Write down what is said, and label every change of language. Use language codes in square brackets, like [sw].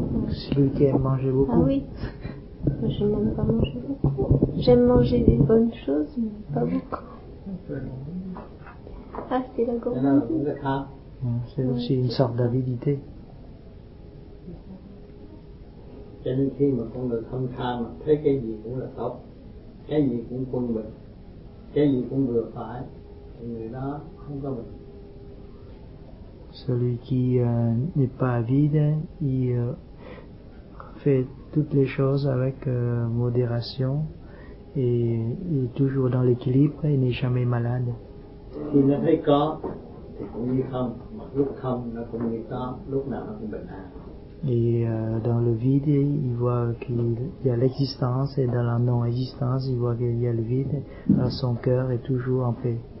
[fr] Celui qui aime manger beaucoup. Ah oui. Je n'aime pas manger beaucoup. J'aime manger des bonnes choses, mais pas beaucoup. Ah, c'est la gourmandise. C'est aussi une sorte d'avidité. [vi] Cho nên khi mà con người không tham mà thấy cái gì cũng là tốt, cái gì cũng quân bình, cái gì cũng vừa phải, thì người đó không có bệnh. [fr] Celui qui n'est pas avide, il fait toutes les choses avec modération et est toujours dans l'équilibre et n'est jamais malade. [vi] Si nó thấy có, thì cũng như không, mà lúc không nó cũng như có, lúc nào nó cũng bình an. [fr] Et dans le vide, il voit qu'il y a l'existence, et dans la non-existence, il voit qu'il y a le vide. Alors son cœur est toujours en paix.